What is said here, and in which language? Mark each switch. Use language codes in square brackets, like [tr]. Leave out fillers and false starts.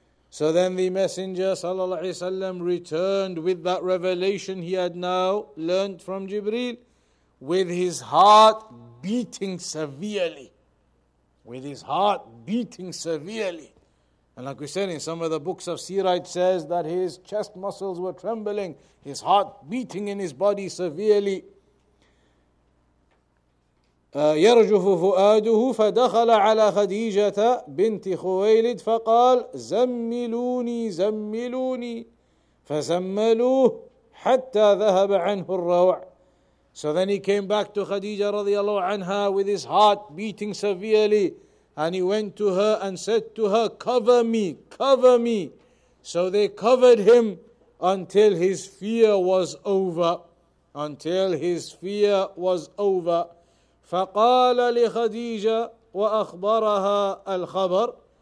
[en] So then the Messenger [ar] صلى الله عليه وسلم [en] returned with that revelation he had now learned from Jibreel, with his heart beating severely. With his heart beating severely. And like we said, in some of the books of Sirah, it says that his chest muscles were trembling, his heart beating in his body severely. [ar] يرجف فؤاده فدخل على خديجة بنت خويلد فقال زملوني زملوني فزملوه حتى ذهب عنه الروع. [en] So then he came back to Khadija radiallahu anha with his heart beating severely. And he went to her and said to her, cover me, cover me. So they covered him until his fear was over. Until his fear was over. [ar] فَقَالَ لِخَدِيجَ وَأَخْبَرَهَا الْخَبَرِ.